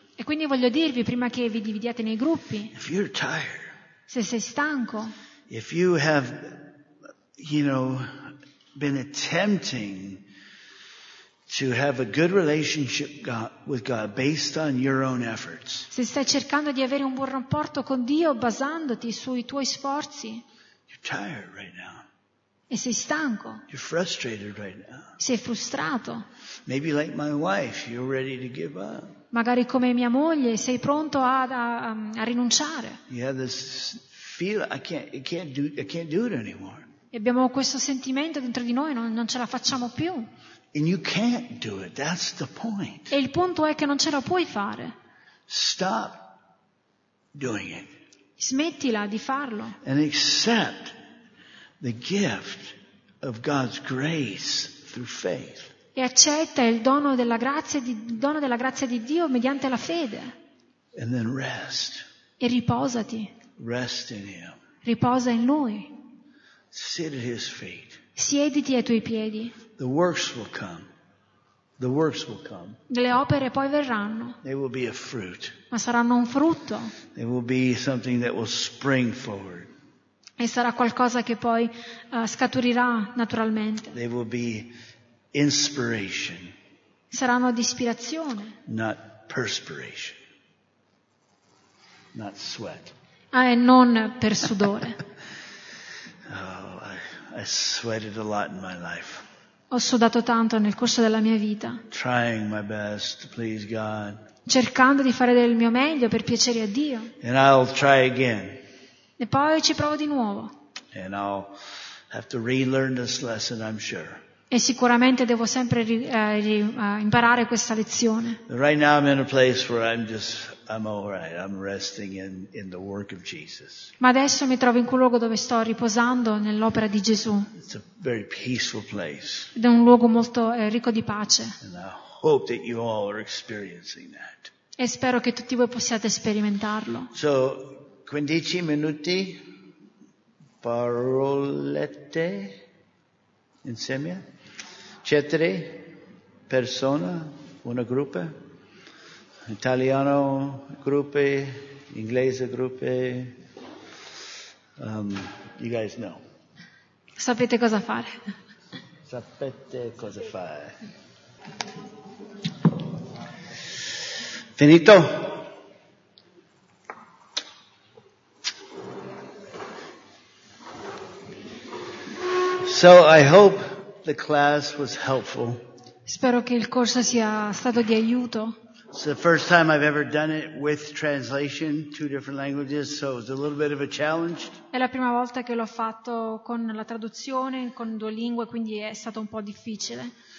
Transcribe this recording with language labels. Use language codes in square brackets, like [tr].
[it] E quindi voglio dirvi prima che vi dividiate nei gruppi. [en] If you're tired. [it] Se sei stanco. [en] If you have, you know, been attempting to have a good relationship with God based on your own efforts. [it] Se stai cercando di avere un buon rapporto con Dio basandoti sui tuoi sforzi. [en] You're tired right now. [it] E sei stanco. [en] You're frustrated right now. [it] Sei frustrato. [en] Maybe like my wife, you're ready to give up. [it] Magari come mia moglie, sei pronto a rinunciare. [en] You have this feel, I can't do it anymore. [it] E abbiamo questo sentimento dentro di noi, non ce la facciamo più. [en] And you can't do it. That's the point. [it] E il punto è che non ce la puoi fare. [en] Stop doing it. [it] Smettila di farlo. [en] And accept the gift of God's grace through faith. [it] E accetta il dono della grazia di Dio mediante la fede. [en] And then rest. [it] E riposati. [en] Rest in Him. [it] Riposa in Lui. [en] Sit at His feet. [it] Siediti ai tuoi piedi. [en] The works will come. The works will come. [it] Le opere poi verranno. [en] They will be a fruit. [it] Ma saranno un frutto. [en] They will be something that will spring forward. [it] E sarà qualcosa che poi scaturirà naturalmente. [en] They will be inspiration. [it] Saranno di ispirazione. [en] Not perspiration. Not sweat. [it] Ah, e non per sudore. [en] Oh, I sweated a lot in my life. [it] Ho sudato tanto nel corso della mia vita. [en] Trying my best to please God. [it] Cercando di fare del mio meglio per piacere a Dio. [en] And I'll try again. [it] E poi ci provo di nuovo. [en] And I'll have to relearn this lesson, I'm sure. [it] E sicuramente devo sempre imparare questa lezione. [en] Right now I'm in a place where I'm all right. I'm resting in the work of Jesus. [it] Ma adesso mi trovo in quel luogo dove sto riposando nell'opera di Gesù. [en] It's a very peaceful place. [it] Ed è un luogo molto ricco di pace. [en] And I hope that you all are experiencing that. [it] E spero che tutti voi possiate sperimentarlo. [en] So, [it] 15 minuti parolette insieme. C'è tre persone, una gruppa, italiano gruppe, inglese gruppe, [en] you guys know. [it] Sapete cosa fare. Sapete cosa fare. Finito? [en] So I hope the class was helpful. [it] Spero che il corso sia stato di aiuto. [en] It's the first time I've ever done it with translation, two different languages, so it was a little bit of a challenge. [it] È la prima volta che l'ho fatto con la traduzione, con due lingue, quindi è stato un po' difficile.